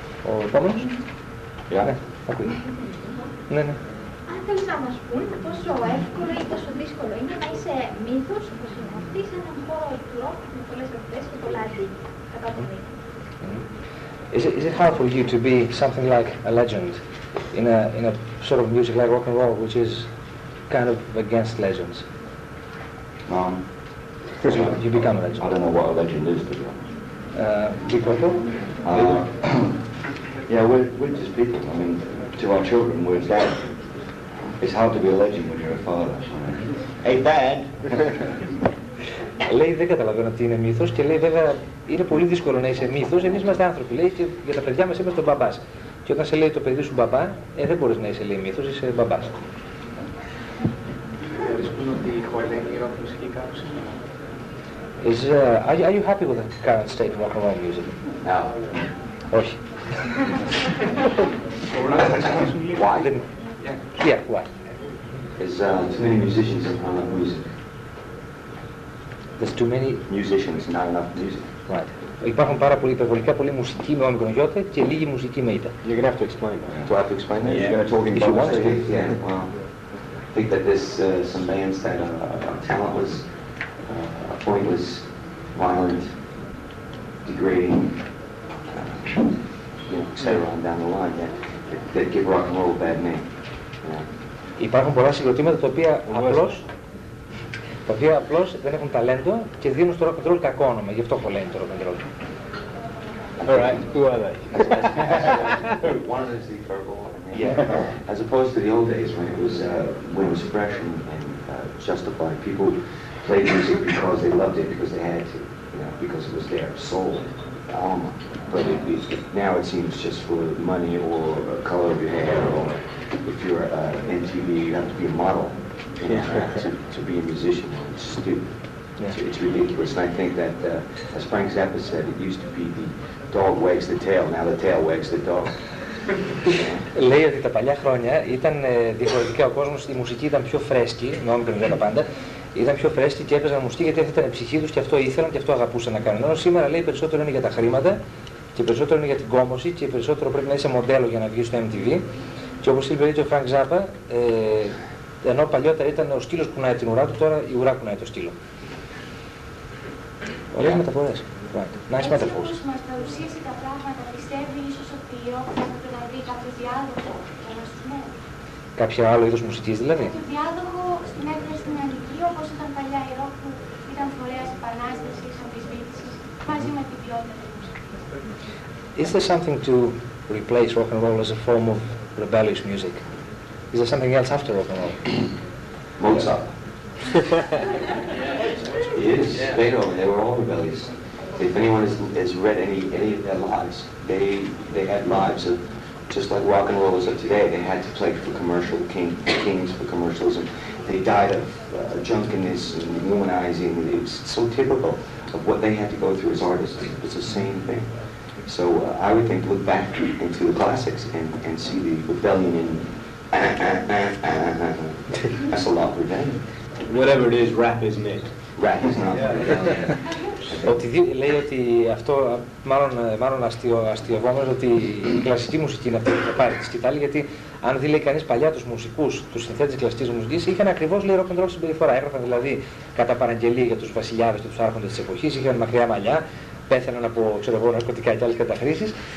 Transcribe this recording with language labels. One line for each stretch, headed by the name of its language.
Greek: Ο επόμενος. Γεια. Ναι, ακούει. Ναι, ναι. Αν θέλεις να μας πούνε πόσο εύκολο ή πόσο δύσκολο συνήθως υπογραφεί σε έναν χώρο απλό με πολλές γραφές και πολλά αντίκτυπα κατά τον ήλιο.
English: Is it hard for you to be something like a legend in a sort of music like rock and roll, which is kind of against legends? First of all, you become a legend. I don't know what a legend is, to be honest. Yeah, we're just people. I mean, to our children, we're dad. It's hard to be a legend when you're a father. Hey, Dad!
Greek: Λέει, δεν καταλαβαίνω τι είναι μύθος και λέει, βέβαια, είναι πολύ δύσκολο να είσαι μύθος. Εμείς είμαστε άνθρωποι, λέει, και για τα παιδιά μας είμαστε τον μπαμπάς. Και όταν σε λέει το παιδί σου μπαμπά, δεν μπορείς να είσαι, λέει, μύθος, είσαι μπαμπάς.
English: Are you happy with the current state of rock and roll music? No.
Greek: Όχι.
English: Why? Yeah, why? There's too many musicians and not enough music. There's too many musicians and not enough music. Right.
Greek: Υπάρχουν πάρα πολύ υπερβολικά πολύ μουσική με όμικρον γιώτα και λίγη μουσική με ήττα.
English: You're gonna have to explain that. Do I have to explain that? Yeah. You're gonna talk in public speaking? Yeah. Well, I think that there's some bands that are talentless, pointless, violent, degrading, etc. down the line that give rock and roll a bad name. Yeah.
Greek: Υπάρχουν πολλά συγκροτήματα τα οποία απλώς τα οποία απλώς δεν έχουν ταλέντο και δίνουν στο rock and roll κακό όνομα. Γι' αυτό χωλαίνει το rock and roll.
English: All right, who are they? One of them is the purple one. Yeah. As opposed to the old days when it was fresh and justified. People played music because they loved it, because they had to, because it was their soul, alma. But now it seems just for money or the color of your hair or if you're MTV, you have to be a model. To be a musician, it's stupid. Yeah. It's ridiculous. And I think that, as Frank Zappa said, it used to be the dog wags the tail, now the tail wags the dog.
Greek: Λέει ότι τα παλιά χρόνια ήταν διαφορετικά ο κόσμος, η μουσική ήταν πιο φρέσκη, με όμικρον γιώτα πάντα, ήταν πιο φρέσκη και έπαιζαν μουσική γιατί αυτή ήταν η ψυχή τους και αυτό ήθελαν και αυτό αγαπούσαν να κάνουν. Ενώ σήμερα λέει περισσότερο είναι για τα χρήματα και περισσότερο είναι για την κόμωση και περισσότερο πρέπει να είσαι μοντέλο για να βγεις στο MTV. Και όπως είπε ο Frank Zappa, ενώ παλιότερα ήταν ο σκύλος που κουνάει την ουρά του, τώρα η ουρά κουνάει το σκύλο. Ωραίες μεταφορές. Ναι, έτσι όπως μας παρουσίασε τα πράγματα, πιστεύει ίσως ότι η ροκ θα έπρεπε να βρει κάποιο διάδοχο για να σου μένει. Κάποιο άλλο είδος μουσικής δηλαδή. Κάποιο διάδοχο στην έδρα στην Αμερική, όπως ήταν παλιά η ροκ που ήταν φορέας επανάστασης, αμφισβήτησης, μαζί με την ποιότητα της μουσικής.
English: Is there something to replace rock and roll as a form of rebellious music? Is there something else after rock and roll? Mozart. Yes, Beethoven, they were all rebellious. If anyone has read any of their lives, they had lives of, just like rock and roll is of today, they had to play for commercial kings for commercialism. They died of drunkenness and womanizing. It was so typical of what they had to go through as artists. It's the same thing. So I would think, look back into the classics and see the rebellion in that's a lot of revenge. Whatever it is, rap isn't it? Rap is not rebellion.
Greek: Ότι λέει ότι αυτό, μάλλον αστειοβόμενος, ότι η κλασική μουσική είναι αυτή που θα πάρει τη σκητάλη, γιατί αν δει, λέει, κανείς παλιά τους μουσικούς, τους συνθέτες κλασικής μουσικής, είχαν ακριβώς, λέει, rock and roll συμπεριφορά. Έγραφαν δηλαδή κατά παραγγελία για τους βασιλιάδες και τους άρχοντες της εποχής, είχαν μακριά μαλλιά, πέθαναν από, ξέρω εγώ, ναρκωτικά και άλλες καταχρήσεις.